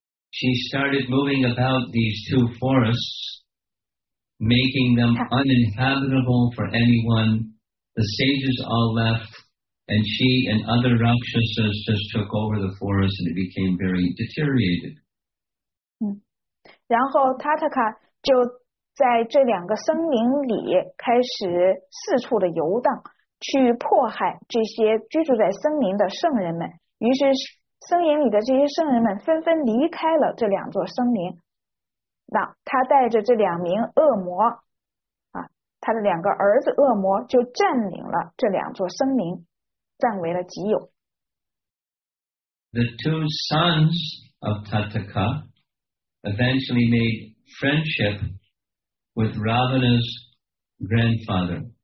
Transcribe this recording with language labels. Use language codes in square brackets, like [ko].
[en] She started moving about these two forests, making them uninhabitable for anyone. The sages all left. And she and other Rakshasas just took over the forest and it became very deteriorated. [zh] 然后 Tataka 就在这两个森林里开始四处的游荡，去迫害这些居住在森林的圣人们。于是森林里的这些圣人们纷纷离开了这两座森林。那他带着这两名恶魔，他的两个儿子恶魔就占领了这两座森林。 [en] The two sons of Tataka eventually made friendship with Ravana's grandfather.